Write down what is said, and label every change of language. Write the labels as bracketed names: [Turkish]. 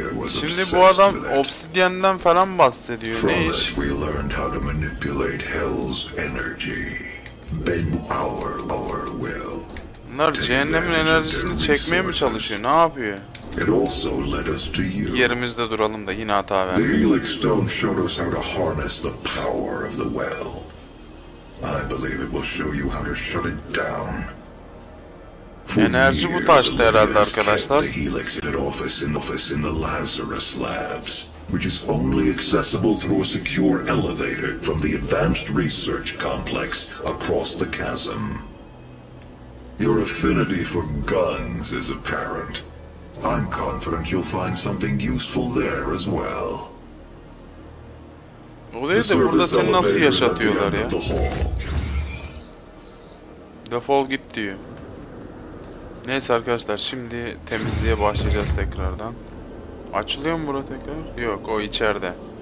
[Turkish] Şimdi bu adam obsidiyenden falan bahsediyor. Ne iş? [English] We learned how to manipulate hell's energy. Bend our will. [Turkish] Bunlar cehennemin enerjisini çekmeye mi çalışıyor? Ne yapıyor? [English] It also led us to you. [Turkish] Yerimizde duralım da yine hata verdi. [English] The Helix Stone showed us how to harness the power of the well. I believe it will show you how to shut it down. [Turkish] Enerji bu taşta herhalde arkadaşlar. [English] The Helix office in the Lazarus Labs, which is only accessible through a secure elevator from the Advanced Research Complex across the chasm. Your affinity for guns is apparent. I'm confident you'll find something useful there as well. [Turkish] O değil de burada seni nasıl yaşatıyorlar ya? Defol git diyor. Neyse arkadaşlar, şimdi temizliğe başlayacağız tekrardan. Açılıyor mu bura tekrar? Yok, o içeride.